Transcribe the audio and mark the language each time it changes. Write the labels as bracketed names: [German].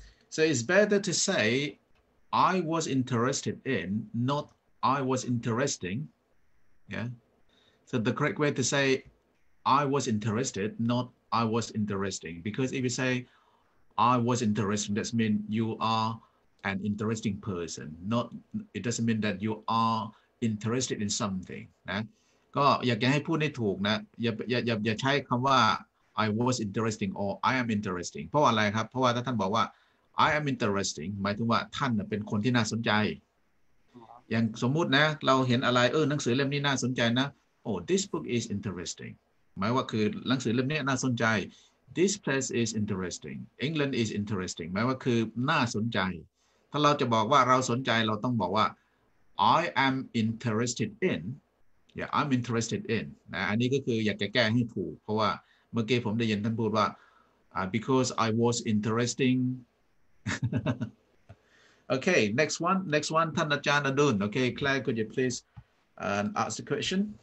[English] So it's better to say, I was interested in, not I was interesting. Yeah. So the correct way to say, I was interested, not I was interesting. Because if you say, I was interested, that means you are an interesting person. Not, it doesn't mean that you are interested in something. [Thai] นะก็อยากให้พูดให้ถูกนะอย่าใช้คำว่า [English] I was interesting or I am interesting. [Thai] เพราะอะไรครับเพราะว่าถ้าท่านบอกว่า I am interesting, หมายถึงว่าท่านเป็นคนที่น่าสนใจอย่างสมมุตินะเราเห็นอะไรเออหนังสือเล่มนี้น่าสนใจนะ [English] Oh, this book is interesting. [Thai] หมายว่าคือหนังสือเล่มนี้น่าสนใจ [English] This place is interesting. England is interesting. [Thai] หมายว่าคือน่าสนใจถ้าเราจะบอกว่าเราสนใจเราต้องบอกว่า [English] I am interested in. Yeah, I'm interested in. [Thai] นะอันนี้ก็คืออยากจะแก้ให้ถูกเพราะว่าเมื่อกี้ผมได้ยินท่านพูดว่า [English] because I was interesting. okay, next one. Next one. ท่านอาจารย์อดุล Okay, Claire, could you please ask the question?